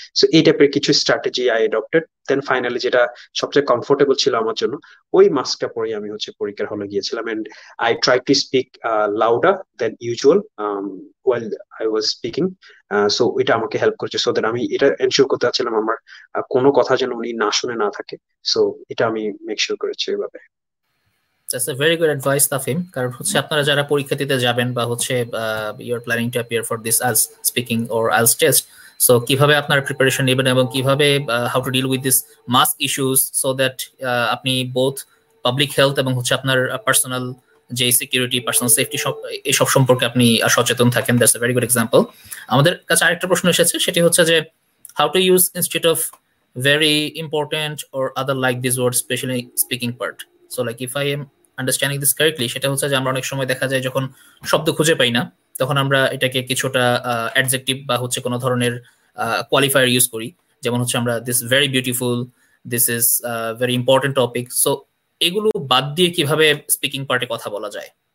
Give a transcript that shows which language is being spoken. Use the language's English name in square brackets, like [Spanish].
[Bangla] So এই টাইপের কিছু strategy [English] I adopted, [Bangla] then finally যেটা সবচেয়ে কমফোর্টেবল ছিল আমার জন্য ওই মাস্কটা পরে আমি হচ্ছে পরীক্ষার হলে গিয়েছিলাম। [English] and I try to speak louder than usual while I was speaking, [Bangla] so এটা আমাকে হেল্প করছে, সো দেন আমি এটা এনশিওর করতে চাচ্ছিলাম আমার কোনো কথা যেন উনি না শুনে না থাকে। সো এটা আমি মেক শিওর করেছি এভাবে। [English] That's a very good advice, Tafhim. [Bangla] কারণ হচ্ছে আপনারা যারা পরীক্ষা দিতে যাবেন বা হচ্ছে [English] you are planning to appear for this IELTS speaking or IELTS test, so [Bangla] কিভাবে আপনারা [English] preparation [Bangla] নেবেন এবং কিভাবে [English] how to deal with this mask issues so that আপনি both public health [Bangla] এবং হচ্ছে আপনার [English] personal যে security, personal safety [Bangla] এসব সম্পর্কে আপনি সচেতন থাকেন, [English] that's a very good example. [Bangla] আমাদের কাছে আরেকটা প্রশ্ন এসেছে, সেটি হচ্ছে যে [English] how to use instead of very important or other like these words, especially speaking part. So like if I am understanding this correctly, [Bangla] সেটা হচ্ছে যে আমরা অনেক সময় দেখা যায় যখন শব্দ খুঁজে পাই না তখন আমরা এটাকে কিছুটা অ্যাডজেক্টিভ বা হচ্ছে কোনো ধরনের কোয়ালিফায়ার ইউজ করি, যেমন হচ্ছে আমরা [English] this very beautiful, this is very important topic, [Bangla] so এগুলো বাদ দিয়ে কিভাবে স্পিকিং পার্টে কথা বলা যায়?